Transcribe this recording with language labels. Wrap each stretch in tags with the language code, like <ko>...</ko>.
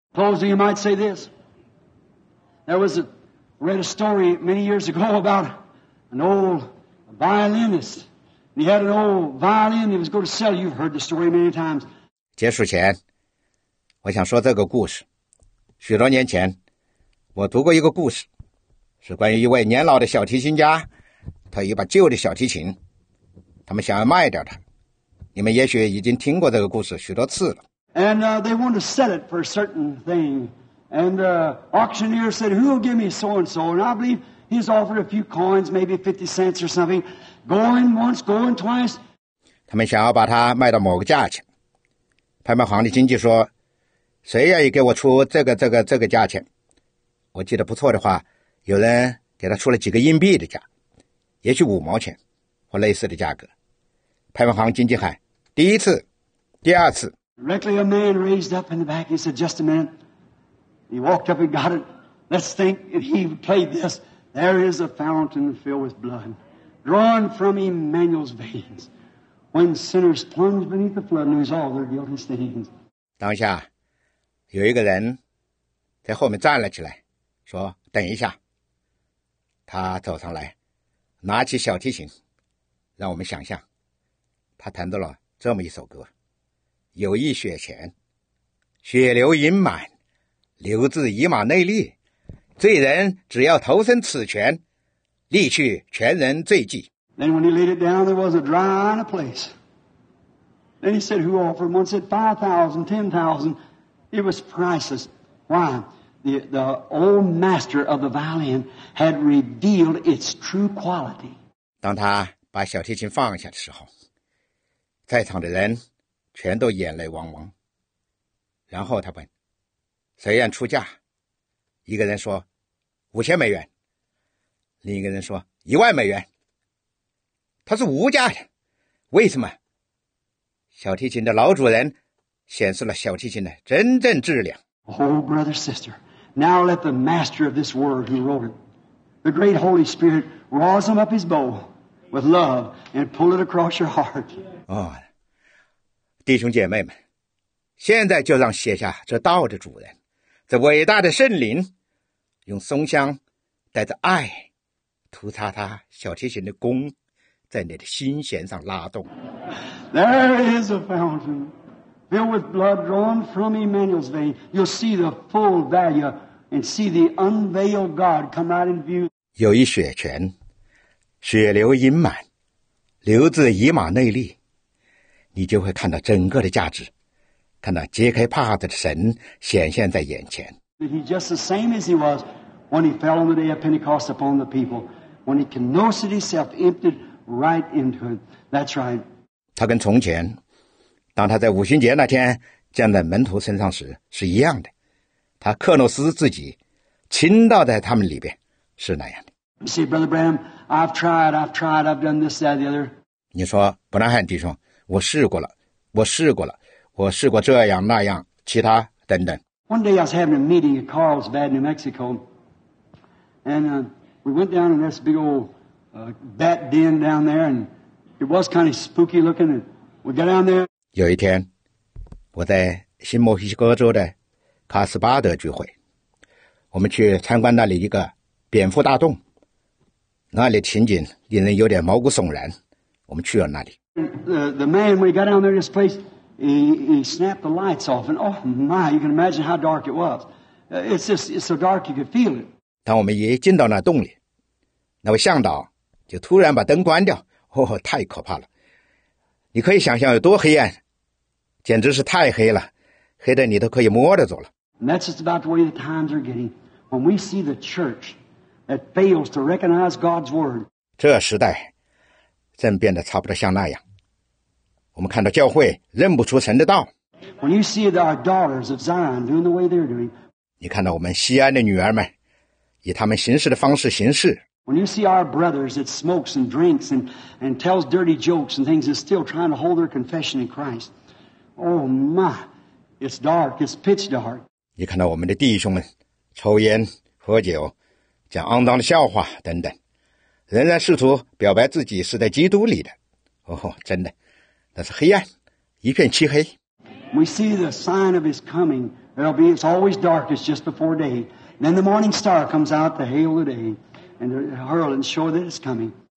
<en>Closing, you might say this. There was a read a story many years ago about an old violinist. He had an old violin he was going to sell. You've heard the story many times.</en> <zh>结束前，我想说这个故事。许多年前，我读过一个故事，是关于一位年老的小提琴家，他有一把旧的小提琴，他们想要卖掉它。你们也许已经听过这个故事许多次了。</zh> <en>And they want to sell it for a certain thing. And the auctioneer said, who will give me so and so? And I believe he's offered a few coins, maybe 50 cents or something. Going once, going twice.</en> <zh>他们想要把它卖到某个价钱。拍卖行的经纪说，谁愿意给我出这个价钱？我记得不错的话，有人给他出了几个硬币的价，也许五毛钱或类似的价格。拍卖行经纪喊：“第一次，第二次。”</zh> <en>Directly a man raised up in the back. He said, "Just a minute." He walked up and got it. Let's think. If he played this, there is a fountain filled with blood, drawn from Emmanuel's veins. When sinners plunge beneath the flood, lose all their guilt and stains.</en> <zh>当下，有一个人在后面站了起来，说：“等一下。” 他走上来，拿起小提琴，让我们想象。他弹到了这么一首歌，有一雪前，血流盈满，流自以马内利，罪人只要投身此泉，立去全人罪迹。</zh> <en>Then when he laid it down, there was a dry eye in a place. Then he said, who offered? One said 5,000, 10,000. It was priceless. Why? The old master of the violin had revealed its true quality.</en> <zh>当他把小提琴放下的时候，在场的人全都眼泪汪汪。然后他问，谁愿出价？一个人说5000美元，另一个人说10000美元。他是无价的，为什么？小提琴的老主人显示了小提琴的真正质量。</zh> <en>Oh, brother, sister, now let the master of this world who wrote it, the great Holy Spirit, rosin up his bow with love and pull it across your heart.</en> <zh>弟兄姐妹们，现在就让写下这道的主人，这伟大的圣灵，用松香带着爱涂擦他小提琴的弓，在你的心弦上拉动。</zh> <en>There is a fountain filled with blood drawn from Emmanuel's vein. You'll see the full value and see the unveiled God come out in view.</en> <zh>有一血泉，血流盈满，流自以马内利，你就会看到整个的价值，看到揭开帕子的神显现在眼前。</zh> <en>He's just the same as he was when he fell on the day of Pentecost upon the people, when he kenosed himself, emptied right into it. That's right.</en> <zh>他跟从前，当他在五旬节那天站在门徒身上时是一样的，他克诺斯自己，倾倒在他们里边，是那样的。</zh> <en>You see, Brother Branham, I've tried, I've done this, that, the other.</en> <zh>你说，伯南汉弟兄。我试过了，我试过了，我试过这样那样，其他等等。</zh> <en>One day I was having a meeting in Carlsbad, New Mexico, and we went down in this big old bat den down there, and it was kind of spooky looking. And we got down there.</en> <zh>有一天，我在新墨西哥州的卡斯巴德聚会，我们去参观那里一个蝙蝠大洞，那里情景令人有点毛骨悚然。我们去了那里。</zh> <en>The man, when he got down there to this place, he snapped the lights off, and oh my, you can imagine how dark it was. It's so dark you could feel it.</en> <zh>当我们一进到那洞里，那位向导就突然把灯关掉，哦，太可怕了！你可以想象有多黑暗，简直是太黑了，黑的你都可以摸得着了。</zh> <en>And that's just about the way the times are getting. When we see the church that fails to recognize God's word,</en> <zh>这时代。正变得差不多像那样，我们看到教会认不出神的道。</zh> <en>When you see the daughters of Zion doing the way they're doing,</en> <zh>你看到我们西安的女儿们以他们行事的方式行事。</zh> <en>When you see our brothers that smokes and drinks and tells dirty jokes and things is still trying to hold their confession in Christ, oh my, it's dark, it's pitch dark.</en> <zh>你看到我们的弟兄们抽烟喝酒，讲肮脏的笑话等等。仍然试图表白自己是在基督里的，哦，真的，那是黑暗，一片漆黑。</zh> <en>We see the sign of his coming. It'll be, it's always darkest just before day. Then the morning star comes out to hail the day and hurl and show that it's coming.</en>